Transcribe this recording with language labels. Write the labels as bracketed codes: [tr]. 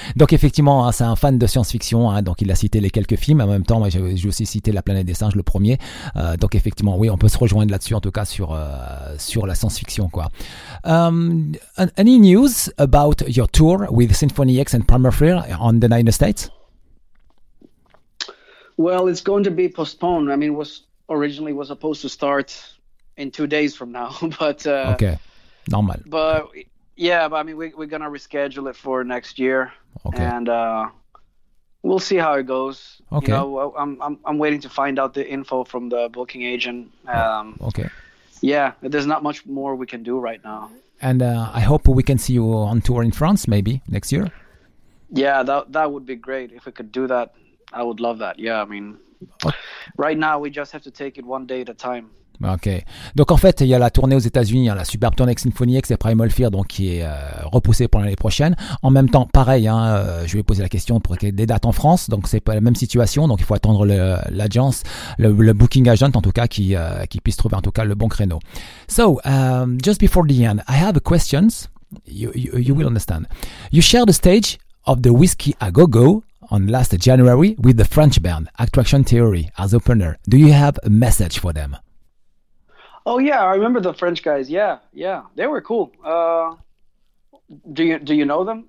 [fr] Donc effectivement, hein, c'est un fan de science-fiction, hein, donc il a cité les quelques films. En même temps, moi j'ai aussi cité La Planète des Singes, le premier. Donc effectivement, oui, on peut se rejoindre là-dessus, en tout cas sur la science-fiction, quoi. [en] Any news about your tour with Symphony X and Primerfear on the United States? Well, it's going to be postponed. I mean, it was originally supposed to start in 2 days from now, but okay, normal. But yeah, but I mean, we're gonna reschedule it for next year, okay. And we'll see how it goes. Okay, you know, I'm waiting to find out the info from the booking agent. Okay, yeah, there's not much more we can do right now. And I hope we can see you on tour in France maybe next year. Yeah, that would be great if we could do that. I would love that. Yeah, I mean, right now we just have to take it one day at a time. [fr] Ok, donc en fait il y a la tournée aux États-Unis, hein, la superbe tournée avec Symphony X et Primal Fear, donc qui est repoussée pour l'année prochaine. En même temps, pareil, hein, je vais poser la question pour des dates en France, donc c'est pas la même situation, donc il faut attendre l'agence, le booking agent, en tout cas, qui puisse trouver en tout cas le bon créneau. [en] So just before the end, I have questions. You will understand. You shared the stage of the Whiskey a Go Go on last January with the French band Attraction Theory as opener. Do you have a message for them? Oh yeah, I remember the French guys. Yeah, yeah, they were cool. Do you know them?